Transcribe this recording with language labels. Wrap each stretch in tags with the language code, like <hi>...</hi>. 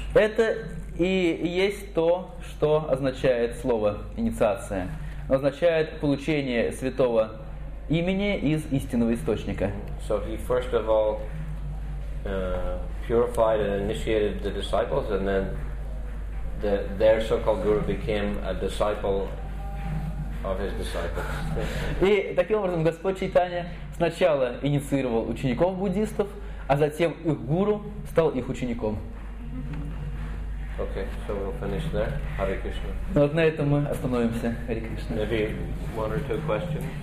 <ru>Это и есть то, что означает слово инициация. Оно означает получение святого имени из истинного источника.</ru> <en>So he first of all purified and initiated the disciples, and then their so-called guru became a disciple of his disciples.</en> <ru>И таким образом Господь Чайтанья сначала инициировал учеников буддистов, а затем их гуру стал их учеником.</ru> <en>Okay, so we'll finish there. Hare Krishna.</en> <ru>Ну вот на этом мы остановимся.</ru> <en>Hare Krishna. Maybe one or two questions.</en>